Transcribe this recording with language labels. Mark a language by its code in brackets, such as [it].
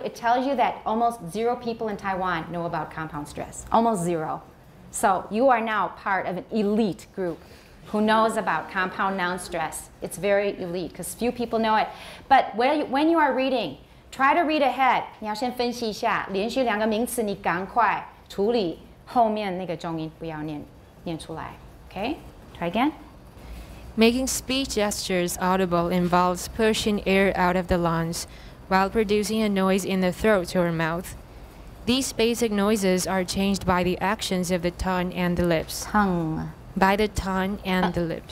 [en] It tells you that almost zero people in Taiwan know about compound stress. Almost zero. So you are now part of an elite group who knows about compound noun stress. It's very elite because few people know it. But when you are reading, try to read ahead. [zh] 你要先分析一下，连续两个名词，你赶快处理后面那个重音，不要念出来。 [en] Okay, try again. Making speech gestures audible involves pushing air out of the lungs while producing a noise in the throat or mouth. These basic noises are changed by the actions of the tongue and the lips. Tongue. By the tongue and the lips.